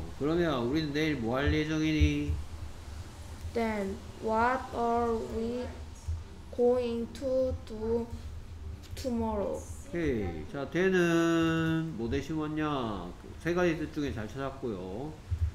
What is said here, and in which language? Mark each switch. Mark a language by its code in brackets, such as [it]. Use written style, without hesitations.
[ko] 그러면 우리는 내일 뭐 할 예정이니? [en] Then what are we going to do tomorrow? [ko] 오케이. 자, 되는 뭐 대신 왔냐? 세 가지 뜻 중에 잘 찾았고요.